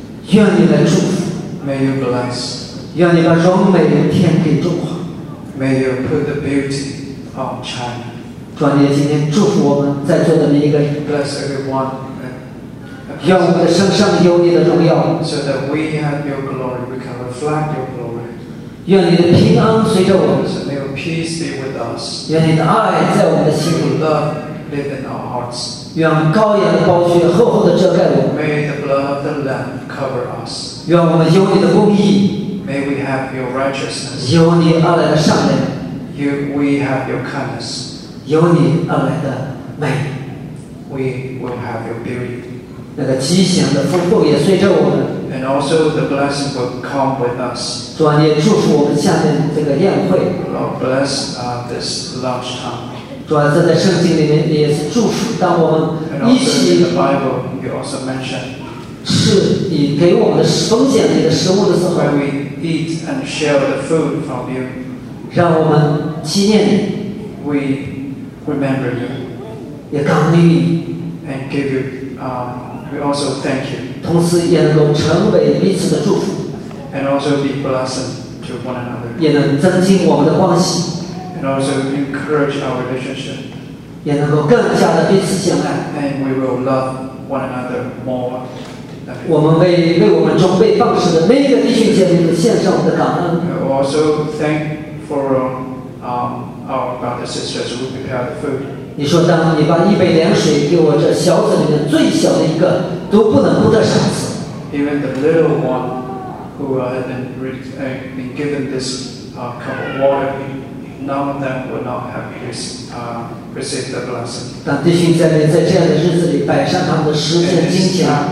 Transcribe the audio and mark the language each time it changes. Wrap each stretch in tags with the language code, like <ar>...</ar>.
<zh>愿你来祝福。</zh> <en>May you bless.</en> <zh>愿你把荣美天给中华。</zh> <en>May you put the beauty of China.</en> <zh>主啊，你今天祝福我们在座的每一个人。</zh> <en>Bless everyone.</en> <zh>愿我们的身上有你的荣耀。</zh> <en>So that we have your glory, we can reflect your glory.</en> <zh>愿你的平安随着我们。</zh> <en>So may your peace be with us.</en> <zh>愿你的爱在我们的心里。</zh> <en>Love live in our hearts.</en> <zh>愿羔羊的宝血厚厚地遮盖我们。</zh> <en>May the blood of the Lamb cover us.</en> <zh>愿我们有你的公义。</zh> <en>May we have your righteousness.</en> <zh>有你而来的善良。</zh> <en>You, we have your kindness.</en> <zh>有你而来的美。</zh> <en>We will have your beauty.</en> <zh>那个吉祥的丰富也随着我们。</zh> <en>And also the blessing will come with us.</en> <zh>主啊，你也祝福我们下面这个宴会。</zh> <en>Lord bless this lunch time.</en> <zh>主啊，这在圣经里面也是祝福，当我们一起</zh> <en>in the Bible, you also mentioned,</en> <zh>是你给我们的丰盛的食物的时候</zh> <en>when we eat and share the food from you,</en> <zh>让我们纪念你</zh> <en>we remember you,</en> <zh>也感恩你</zh> <en>and give you, we also thank you,</en> <zh>同时也能够成为彼此的祝福</zh> <en>and also be blessed to one another,</en> <zh>也能增进我们的关系</zh> <en>And also encourage our relationship.</en> <zh>也能够更加的彼此相爱。</zh> <en>And we will love one another more.</en> <zh>我们为我们中被放生的每一个弟兄姐妹献上我们的感恩。</zh> <en>We also thank for our brothers and sisters who prepare the food.</en> <zh>你说当你把一杯凉水给我这小子里面最小的一个都不能不得赏赐。</zh> <en>Even the little one who had been given this cup of water. None of them will not have received the blessing.</en> <zh>当弟兄姐妹在这样的日子里摆上他们的时间、金钱</zh>